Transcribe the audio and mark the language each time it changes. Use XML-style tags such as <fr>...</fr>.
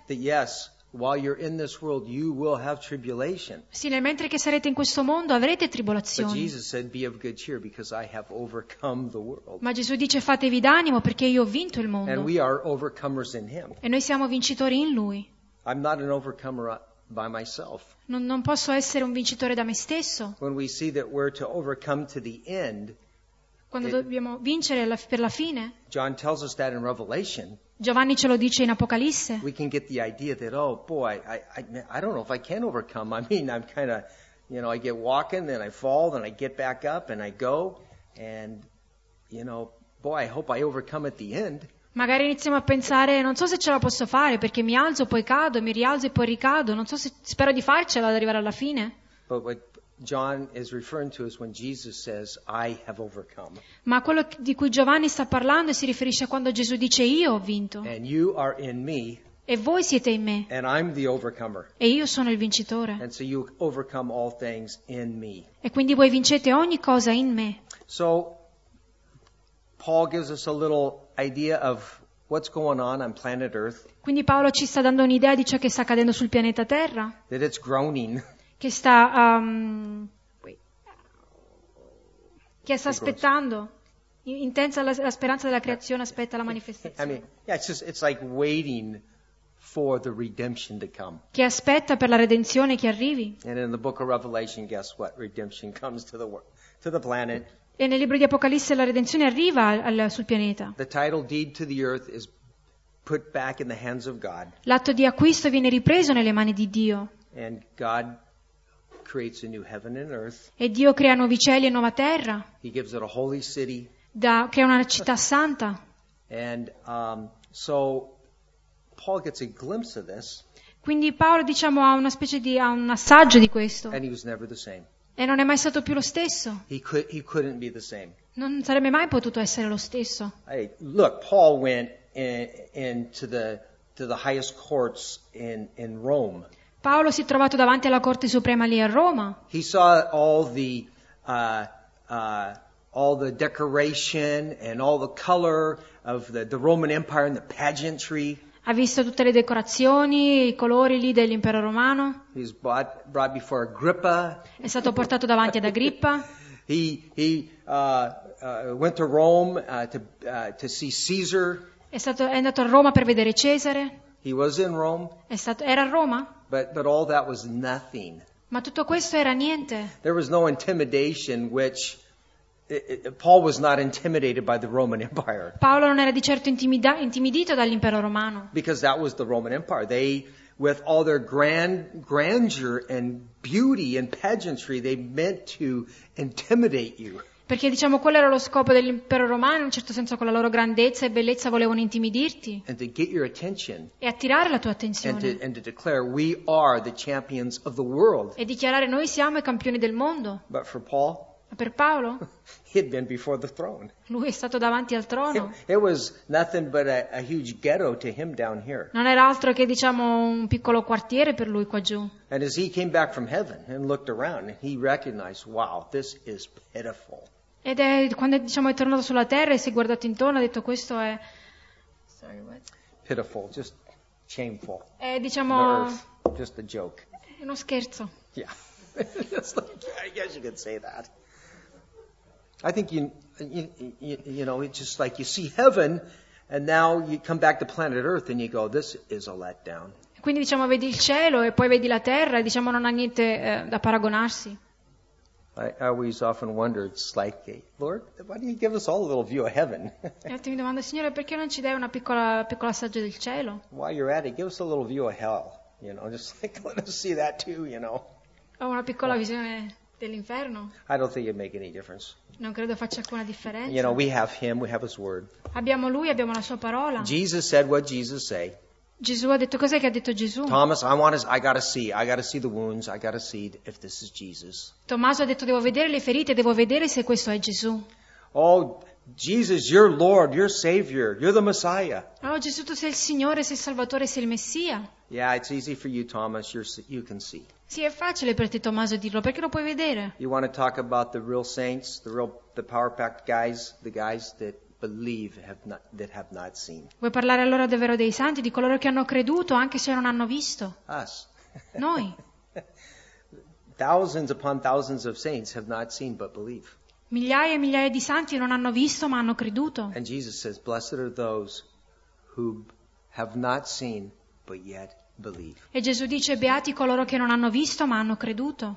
<en>That yes, while you're in this world, you will have tribulation.</en> <it>Sì, nel mentre che sarete in questo mondo avrete tribolazioni.</it> <en>But Jesus said, "Be of good cheer, because I have overcome the world."</en> <it>Ma Gesù dice, fatevi d'animo perché io ho vinto il mondo.</it> <en>And we are overcomers in Him.</en> <it>E noi siamo vincitori in Lui.</it> <en>I'm not an overcomer by myself.</en> <it>Non posso essere un vincitore da me stesso.</it> <en>When we see that we're to overcome to the end.</en> <it>Quando dobbiamo vincere per la fine.</it> <en>John tells us that in Revelation.</en> <it>Giovanni ce lo dice in Apocalisse.</it> <en>We can get the idea that, oh boy, I don't know if I can overcome. I mean, I'm kind of, you know, I get walking, then I fall, then I get back up, and I go. And, you know, boy, I hope I overcome at the end.</en> <it>Magari iniziamo a pensare, non so se ce la posso fare, perché mi alzo, poi cado, mi rialzo e poi ricado. Non so se, spero di farcela ad arrivare alla fine.</it> <en>But what John is referring to is when Jesus says, I have overcome.</en> <it>Ma quello di cui Giovanni sta parlando si riferisce a quando Gesù dice, io ho vinto.</it> <en>And you are in me.</en> <it>E voi siete in me.</it> <en>And I'm the overcomer.</en> <it>E io sono il vincitore.</it> <en>And so you overcome all things in me.</en> <it>E quindi voi vincete ogni cosa in me.</it> <en>So, Paul gives us a little idea of what's going on planet Earth.</en> <it>Quindi Paolo ci sta dando un'idea di ciò che sta accadendo sul pianeta Terra.</it> <en>That it's groaning.</en> <it>Che sta che sta aspettando intensa la speranza della creazione aspetta la manifestazione.</it> <en>I mean, yeah, it's like waiting for the redemption to come.</en> <it>Che aspetta per la redenzione che arrivi.</it> <en>And in the book of Revelation, guess what? Redemption comes to the world, to the planet.</en> <it>E nel libro di Apocalisse la redenzione arriva sul pianeta.</it> <en>The title deed to the earth is put back in the hands of God.</en> <it>L'atto di acquisto viene ripreso nelle mani di Dio.</it> <en>And God creates a new heaven and earth.</en> <it>E Dio crea nuovi cieli e nuova terra.</it> <en>He gives it a holy city.</en> <it>Crea una città santa.</it> <en>And so Paul gets a glimpse of this.</en> <it>Quindi Paolo diciamo ha una specie di un assaggio di questo.</it> <en>And he was never the same.</en> <it>E non è mai stato più lo stesso.</it> <en>He couldn't be the same.</en> <it>Non sarebbe mai potuto essere lo stesso.</it> <en>Hey, look, Paul went into the highest courts in Rome.</en> <it>Paolo si è trovato davanti alla Corte Suprema lì a Roma.</it> <en>He saw all the decoration and all the color of the Roman Empire and the pageantry.</en> <it>Ha visto tutte le decorazioni, i colori lì dell'Impero Romano.</it> <en>He's brought before Agrippa.</en> <it>È stato portato davanti ad Agrippa.</it> <en>he went to Rome to see Caesar.</en> <it>È andato a Roma per vedere Cesare.</it> <en>He was in Rome.</en> <it>Era a Roma.</it> <en>But all that was nothing.</en> <it>Ma tutto questo era niente.</it> <en>There was no intimidation, which Paul was not intimidated by the Roman Empire.</en> <it>Paolo non era di certo intimidito dall'Impero Romano.</it> <en>Because that was the Roman Empire. They, with all their grandeur and beauty and pageantry, they meant to intimidate you.</en> <it>Perché diciamo quello era lo scopo dell'Impero Romano, in un certo senso con la loro grandezza e bellezza volevano intimidirti.</it> <en>And to get your attention.</en> <it>E attirare la tua attenzione.</it> <en>And to declare we are the champions of the world.</en> <it>E dichiarare noi siamo i campioni del mondo.</it> <en>But for Paul.</en> <it>Ma per Paolo.</it> <en>He had been before the throne.</en> <it>Lui è stato davanti al trono.</it> <en>It was nothing but a huge ghetto to him down here.</en> <it>Non era altro che diciamo un piccolo quartiere per lui qua giù.</it> <en>And as he came back from heaven and looked around, he recognized, wow, this is pitiful.</en> <it>Ed è quando diciamo è tornato sulla terra e si è guardato intorno ha detto questo è</it> <en>pitiful, just shameful.</en> <it>È diciamo</it> <en>just a joke.</en> <it>È uno scherzo.</it> <en>Yeah. Just like, I guess you could say that. I think you know it's just like you see heaven and now you come back to planet Earth and you go this is a letdown.</en> <it>Quindi diciamo vedi il cielo e poi vedi la terra e diciamo non ha niente da paragonarsi.</it> <en>I always often wonder, it's like, Lord, why do you give us all a little view of heaven?</en> <it>E mi domando, Signore, perché non ci dai una piccola assaggio del cielo?</it> <en>While you're at it, give us a little view of hell, you know, just like, let us see that too, you know.</en> <it>Ho una piccola visione dell'inferno.</it> <en>I don't think it'd make any difference.</en> <it>Non credo faccia alcuna differenza.</it> <en>You know, we have him, we have his word.</en> <it>Abbiamo lui, abbiamo la sua parola.</it> <en>Jesus said what Jesus say.</en> <it>Gesù ha detto, cos'è che ha detto Gesù?</it> <en>Thomas, I gotta see the wounds, I gotta see if this is Jesus.</en> <it>Tommaso ha detto, devo vedere le ferite, devo vedere se questo è Gesù. Oh,</it> <en>Jesus, you're Lord, you're Savior, you're the Messiah.</en> <it>Oh, Gesù, tu sei il Signore, sei il Salvatore, sei il Messia.</it> <en>Yeah, it's easy for you, Thomas. You can see.</en> <it>Sì, è facile per te, Tommaso, dirlo, perché lo puoi vedere.</it> <en>You want to talk about the real saints, the power-packed guys, the guys that believe have not seen.</en> <it>Vuoi parlare allora davvero dei santi, di coloro che hanno creduto anche se non hanno visto?</it> <en>Us.</en> <it>Noi.</it> <en>Thousands upon thousands of saints have not seen but believe.</en> <it>Migliaia e migliaia di santi non hanno visto ma hanno creduto.</it> <en>And Jesus says, blessed are those who have not seen but yet believe.</en> <it>E Gesù dice, beati coloro che non hanno visto ma hanno creduto.</it>